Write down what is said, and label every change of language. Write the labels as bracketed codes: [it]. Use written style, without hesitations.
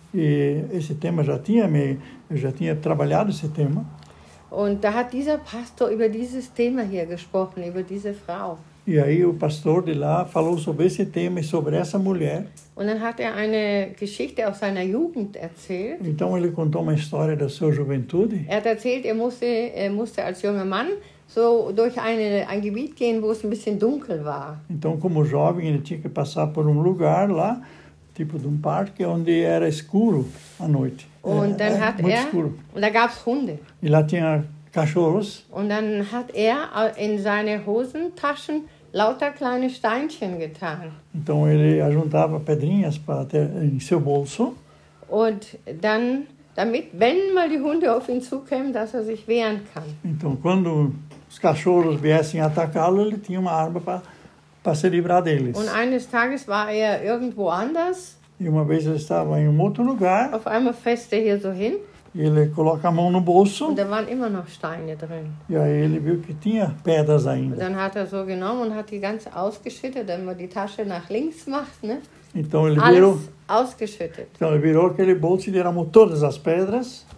[pt] E esse tema já tinha trabalhado esse tema. [de] Und da hat dieser Pastor über dieses Thema hier gesprochen, über diese Frau. [pt] E aí o pastor de lá falou sobre esse tema e sobre essa mulher. [de] Und dann hat eine Geschichte aus seiner Jugend erzählt. [pt] Então ele contou uma história da sua juventude. [de] Er hat erzählt, er musste als junger Mann so durch ein Gebiet gehen, wo es ein bisschen dunkel war. [pt] Então, como jovem, ele tinha que passar por lugar lá, tipo de parque, onde era escuro à noite. [de] Und dann hat [pt] muito [de] er, [pt] escuro. [de] Und da gab's Hunde. [pt] E lá tinha cachorros. [de] Und dann hat er in seine Hosentaschen lauter kleine Steinchen getan. [pt] Então, ele ajuntava pedrinhas para ter em seu bolso. [de] Und dann, damit, wenn mal die Hunde auf ihn zukämen, dass er sich wehren kann. [pt] Então, quando os cachorros viessem atacá-lo, ele tinha uma arma para para se livrar deles. [de] Und eines Tages war er irgendwo anders. [pt] E uma vez ele estava em um outro lugar. [de] Auf einmal fährt er hier so hin. [pt] E ele coloca a mão no bolso. [de] Und da waren immer noch Steine drin. [pt] E aí ele viu que tinha pedras ainda. [de] Und dann hat er so genommen und hat die ganze ausgeschüttet, wenn man die Tasche nach links macht, ne? [pt] Então ele [de] alles [pt] virou. [de] Ausgeschüttet. [pt] Então ele virou aquele bolso e derramou todas as pedras.